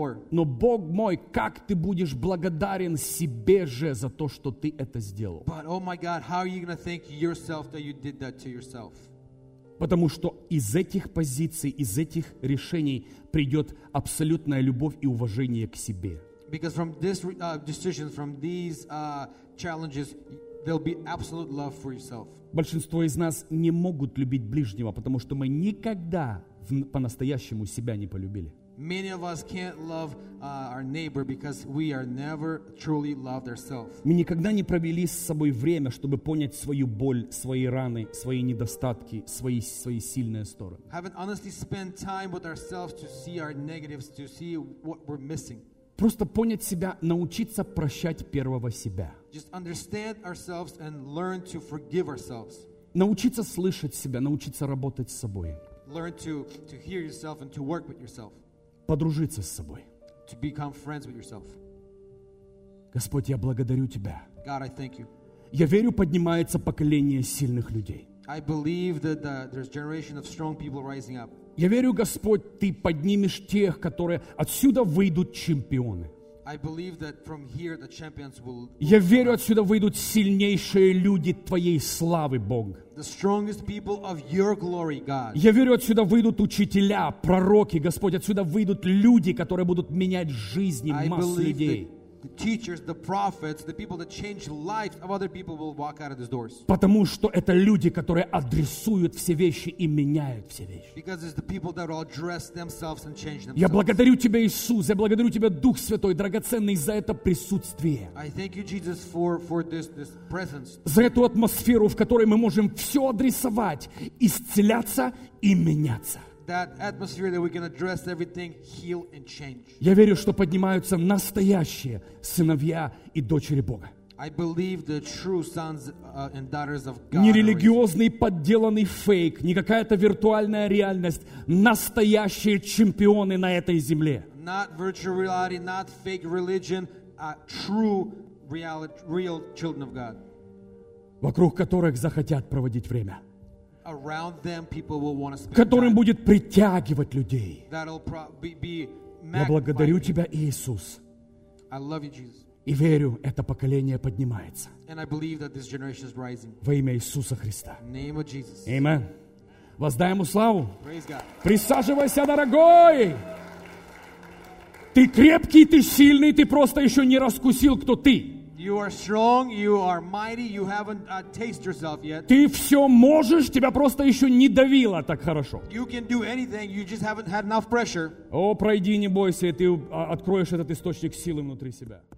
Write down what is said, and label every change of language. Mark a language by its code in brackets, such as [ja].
[ru] Но, Бог мой, как ты будешь благодарен себе же за то, что ты это сделал? [en] But, oh my God, how are you gonna thank yourself that you did that to yourself? [ru] Потому что из этих позиций, из этих решений придет абсолютная любовь и уважение к себе. [en] Because from this decision, from these challenges, there'll be absolute love for yourself. [ru] Большинство из нас не могут любить ближнего, потому что мы никогда по-настоящему себя не полюбили. [en] Many of us can't love our neighbor because we are never truly loved ourselves. [ru] Мы никогда не провели с собой время, чтобы понять свою боль, свои раны, свои недостатки, свои сильные стороны. [en] Haven't honestly spent time with ourselves to see our negatives, to see what we're missing. [ru] Просто понять себя, научиться прощать первого себя. [en] Just understand ourselves and learn to forgive ourselves. [ru] Научиться слышать себя, научиться работать с собой. [en] Learn to hear yourself and to work with yourself. [ru] Подружиться с собой. [en] To become friends with yourself. [ru] Господь, я благодарю Тебя. [en] God, I thank you. [ru] Я верю, поднимается поколение сильных людей. [en] I believe that there's a generation of strong people rising up. [ru] Я верю, Господь, Ты поднимешь тех, которые отсюда выйдут чемпионы. [en] I believe that from here the champions will. [ru] Я верю, отсюда выйдут сильнейшие люди Твоей славы, Бог. [en] The strongest people of Your glory, God. [ru] Я верю, отсюда выйдут учителя, пророки, Господь, отсюда выйдут люди, которые будут менять жизни масс людей. [en] The teachers, the prophets, the people that change lives of other people will walk out of these doors. [ru] Потому что это люди, которые адресуют все вещи и меняют все вещи. [en] Because it's the people that will address themselves and change themselves. [ru] Я благодарю Тебя, Иисус, я благодарю Тебя, Дух Святой, драгоценный, за это присутствие. [en] I thank you, Jesus, for this presence. [ru] За эту атмосферу, в которой мы можем все адресовать, исцеляться и меняться. [en] That atmosphere that we can address everything, heal and change. [ru] Я верю, что поднимаются настоящие сыновья и дочери Бога. [en] I believe the true sons and daughters of God. [ru] Не религиозный подделанный фейк, не какая-то виртуальная реальность, настоящие чемпионы на этой земле. [en] Not virtual reality, not fake religion, a true reality, real children of God. [ru] Вокруг которых захотят проводить время. [en] Around them, people will want to spend [ru] которым [en] time. [ru] Будет притягивать людей. Я благодарю Тебя, Иисус. [en] I love you, Jesus. [ru] И верю, это поколение поднимается. [en] And I believe that this generation is rising. [ru] Во имя Иисуса Христа. [en] Name of Jesus. [ru] Amen. Воздай Ему славу. [en] Praise God. [ru] Присаживайся, дорогой! Ты крепкий, ты сильный, ты просто еще не раскусил, кто ты. [en] You are strong, you are mighty, you haven't tasted yourself yet. [ru] Ты все можешь, тебя просто еще не давило так хорошо. [en] You can do anything, you just haven't had enough pressure. [ru] О, пройди, не бойся, и ты откроешь этот источник силы внутри себя.